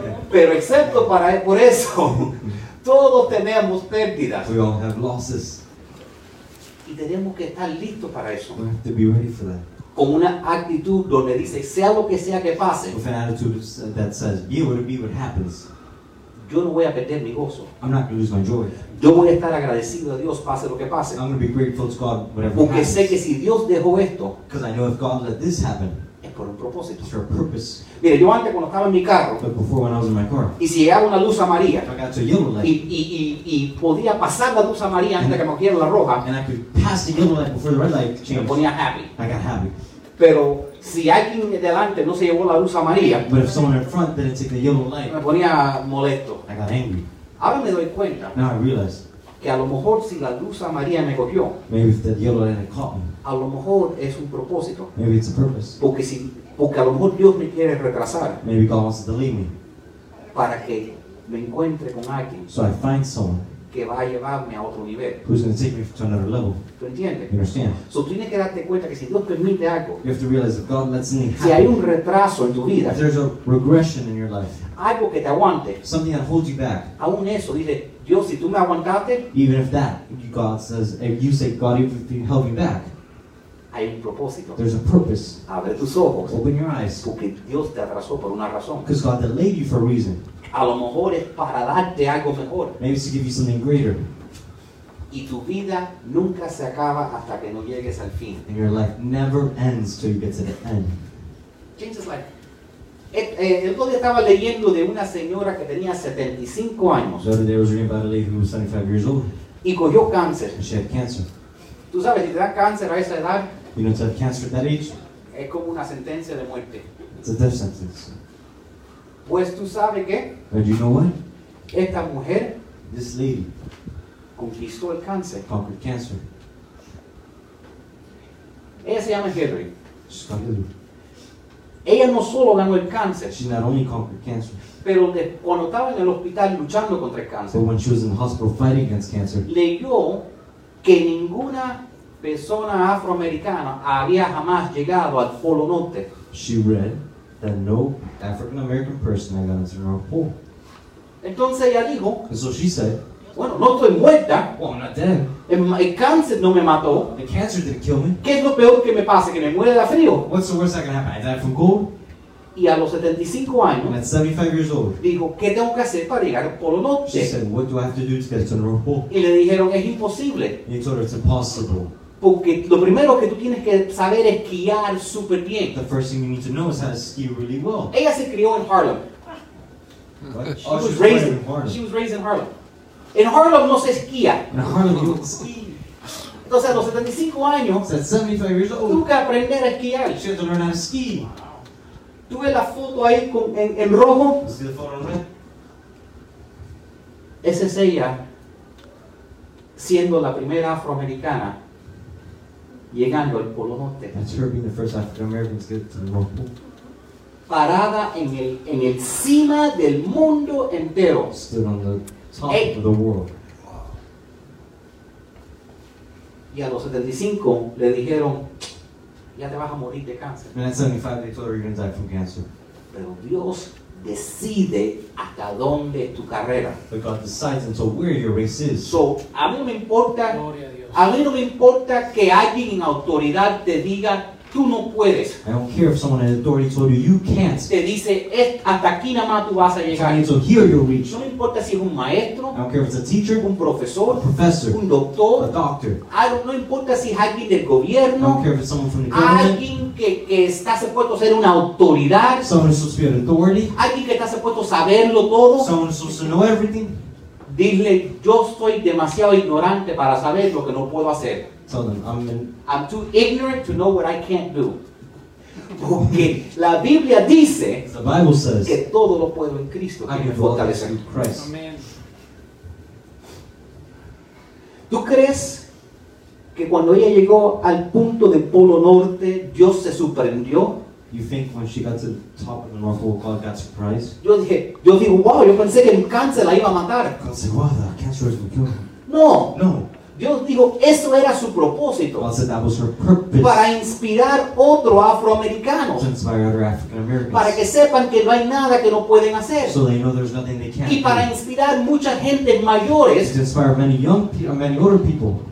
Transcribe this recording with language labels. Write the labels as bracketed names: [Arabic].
[Spanish] Pero excepto para por eso, todos tenemos pérdidas. [English] We all have losses. [Spanish] Y tenemos que estar listos para eso. [English] We have to be ready for that. [Spanish] Con una actitud donde dice, sea lo que sea que pase. [English] With an attitude that says, be what it be, what happens. [Spanish] Yo no voy a perder mi gozo. [English] I'm not going to lose my joy. [Spanish] Yo voy a estar agradecido a Dios, pase lo que pase. [English] I'm going to be grateful to God, whatever happens. [Spanish] Porque sé que si Dios dejó esto. [English] Because I know if God let this happen. [Spanish] Es por un propósito. [English] It's for a purpose. [Spanish] Mire, yo antes cuando estaba en mi carro. [English] But before when I was in my car. [Spanish] Y si llegaba una luz amarilla. [English] I got to yellow light. [Spanish] Y podía pasar la luz amarilla antes de que me cogiera la roja. [English] And I could pass the yellow light before the red light changed. [Spanish] Me ponía happy. [English] I got happy. [Spanish] Pero si alguien delante no se llevó la luz amarilla, [English] but if someone in front didn't take the yellow light, [Spanish] me ponía molesto. [English] I got angry. [Spanish] Ahora me doy cuenta. [English] Now I realize. [Spanish] Que a lo mejor si la luz amarilla me cogió, [English] maybe if the yellow light caught me, [Spanish] a lo mejor es un propósito. [English] Maybe it's a purpose. [Spanish] Porque si, porque a lo mejor Dios me quiere retrasar. [English] Maybe God wants to delay me. [Spanish] Para que me encuentre con alguien. [English] So I find someone. [Spanish] Que va a llevarme a otro nivel. [English] Who's going to take me to another level? [Spanish] ¿Tú entiendes? [English] You understand? [Spanish] So tú tienes que darte cuenta que si Dios permite algo. [English] You have to realize that God lets anything happen. [Spanish] Si hay un retraso en tu vida. [English] If there's a regression in your life. [Spanish] Algo que te aguante. [English] Something that holds you back. [Spanish] Aún eso, dile, Dios, si tú me aguantaste. [English] Even if that, God says, if you say, God, if you held me back. [Spanish] Hay un propósito. [English] There's a purpose. [Spanish] Abre tus ojos. [English] Open your eyes. [Spanish] Porque Dios te atrasó por una razón. [English] Because God delayed you for a reason. [Spanish] A lo mejor es para darte algo mejor. [English] Maybe it's to give you something greater. [Spanish] Y tu vida nunca se acaba hasta que no llegues al fin. [English] And your life never ends till you get to the end. [Spanish] Jesus, like, el otro día estaba leyendo de una señora que tenía 75 años. [English] The other day I was reading about a lady who was 75 years old. [Spanish] Y cogió cáncer. [English] And she had cancer. [Spanish] Tú sabes, si te da cáncer a esa edad. [English] You know, to have cancer at that age. [Spanish] Es como una sentencia de muerte. [English] It's a death sentence. [Spanish] Pues tú sabes qué. [English] But you know what? [Spanish] Esta mujer. [English] This lady. [Spanish] Conquistó el cáncer. [English] Conquered cancer. [Spanish] Ella se llama Hillary. Ella no solo ganó el cáncer. [English] She not only conquered cancer. [Spanish] Pero cuando estaba en el hospital luchando contra el cáncer. [English] But when she was in the hospital fighting against cancer. [Spanish] Leyó que ninguna persona afroamericana había jamás llegado al Polo Norte. [English] She read that no African American person had gotten to the North Pole. [Spanish] Entonces ella dijo. [English] And so she said. [Spanish] Bueno, no estoy muerta. [English] Well, I'm not dead. [Spanish] El cáncer no me mató. [English] The cancer didn't kill me. [Spanish] ¿Qué es lo peor que me pase? Que me muera de frío. [English] What's the worst that can happen? I died from cold. [Spanish] Y a los 75 años. [English] And at 75 years old. [Spanish] Dijo, ¿qué tengo que hacer para llegar al Polo Norte? [English] She said, what do I have to do to get to the North Pole? [Spanish] Y le dijeron, es imposible. [English] And he told her, it's impossible. [Spanish] Porque lo primero que tú tienes que saber es esquiar súper bien. [English] The first thing you need to know is how to ski really well. [Spanish] Ella se crió en Harlem. [English] She was raised in Harlem. [Spanish] En Harlem no se esquía. [English] In Harlem you don't ski. [Spanish] Entonces a los 75 años. [English] At 75 years old. [Spanish] Tuve que aprender a esquiar. [English] She had to learn how to ski. [Spanish] Tú ves la foto ahí con, en rojo. [English] You see the photo in red? [Spanish] Esa es ella. Siendo la primera afroamericana. Llegando al Polo Norte. [English] That's her being the first African American to get to the North Pole. [Spanish] Parada en el cima del mundo entero. [English] Stood on the top of the world. [Spanish] Y a los 75 le dijeron, ya te vas a morir de cáncer. [English] And at 75 they told her you're going to die from cancer. [Spanish] Pero Dios decide hasta dónde tu carrera. [English] But God decides until where your race is. [Spanish] So, a mí me importa. A mí no me importa que alguien en autoridad te diga, tú no puedes. [English] I don't care if someone in authority told you, you can't. [Spanish] Te dice, hasta aquí nada más tú vas a llegar. [English] Until here you'll reach. [Spanish] No me importa si es un maestro. [English] I don't care if it's a teacher. [Spanish] Un profesor. [English] A professor. [Spanish] Un doctor. [English] A doctor. [Spanish] No importa si es alguien del gobierno. [English] I don't care if it's someone from the government. [Spanish] Alguien que está supuesto ser una autoridad. [English] Someone who's supposed to be an authority. [Spanish] Alguien que está supuesto saberlo todo. [English] Someone who's supposed to know everything. [Spanish] Dile, yo soy demasiado ignorante para saber lo que no puedo hacer. [English] Tell them, I'm too ignorant to know what I can't do. [Spanish] Porque la Biblia dice [English] the Bible says, [Spanish] que todo lo puedo en Cristo que [English] I [Spanish] me fortalece. [English] In Christ. Amen. [Spanish] ¿Tú crees que cuando ella llegó al punto del Polo Norte, Dios se sorprendió? [English] You think when she got to the top of the North Pole, God got surprised? [Spanish] Yo dije, wow, yo pensé que el cáncer la iba a matar. [English] God said, wow, that cancer is going to kill her. [Spanish] No. [English] No. [Spanish] Dios dijo, eso era su propósito. [English] God said, that was her purpose. [Spanish] Para inspirar otro afroamericano. [English] To inspire other African Americans. [Spanish] Para que sepan que no hay nada que no pueden hacer. [English] So they know there's nothing they can't [Spanish] do. Y para inspirar mucha gente mayores. [English] To inspire many young people, many older people.